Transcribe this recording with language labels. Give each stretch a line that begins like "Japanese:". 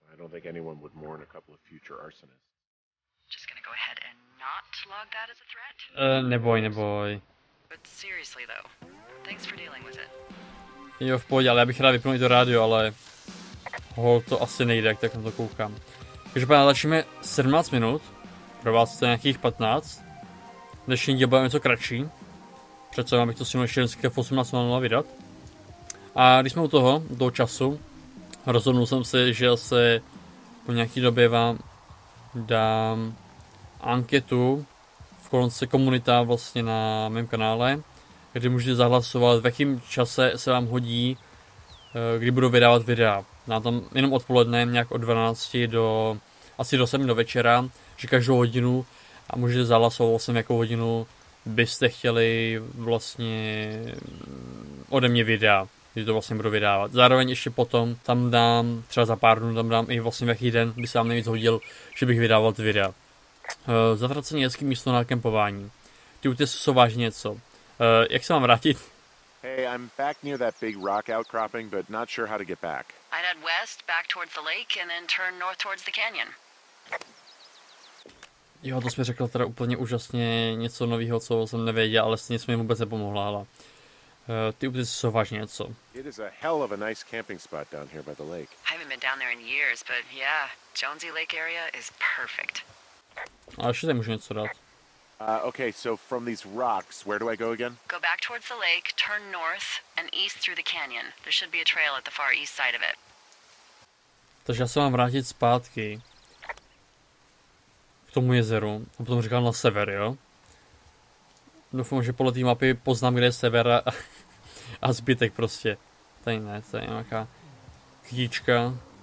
English: Think anyone would mourn a couple of future arsonists. Just gonna go ahead and not log that as a threat?
Czech: Neboj.
English: But seriously though, thanks for dealing with it.
Czech: Jo, v pohodě, ale já bych rád vypnul i to rádio, ale hol, to asi nejde, jak tak na to koukám. Každopádně natáčíme 17 minut, pro vás to je nějakých 15. Dnešní díl bude něco kratší. přece mám bych to stihnout ještě dneska v 18.00 vydat. A když jsme u toho, do času, rozhodnul jsem se, že se po nějaký době vám dám anketu v kolonce komunita vlastně na mém kanále, kde můžete zahlasovat, v jakém čase se vám hodí, kdy budu vydávat videa. Na tom jenom odpoledne, nějak od 12 do asi do 7 do večera, že každou hodinu, a můžete zahlasovat vlastně, jakou hodinu byste chtěli vlastně ode mě videa, kdy to vlastně budu vydávat. Zároveň ještě potom tam dám, třeba za pár dnů tam dám i vlastně v jaký den by se vám nejvíc hodil, že bych vydával ty videa. Zatracení hezký místo na kempování. Ty útesy jsou vážně něco. Jak se mám vrátit?
English: Hey, I'm back near that big rock outcropping, but not sure how to get back. I'd head west, back towards the lake, and then turn north towards the canyon.
Czech: Jo, to jsi mi řekl teda úplně úžasně něco nového, co jsem nevěděl, ale stejně jsi mi vůbec nepomohla, ale ty útesy jsou vážně něco.
English: It is a hell of a nice camping spot down here by the lake. I haven't been down there in years, but yeah, Jonesy Lake area is perfect.
Czech: A ještě tady můžu něco dát.
English: Okay, so from these rocks, where do I go again? Go back towards the lake, turn north, and east through the canyon. There should be a trail at the far east side of it.
Czech: Takže já se mám vrátit zpátky k tomu jezeru, a potom říkám na sever, jo? Doufám, že podle té mapy poznám, kde je sever a zbytek prostě. Tady ne, tady je nějaká kytička.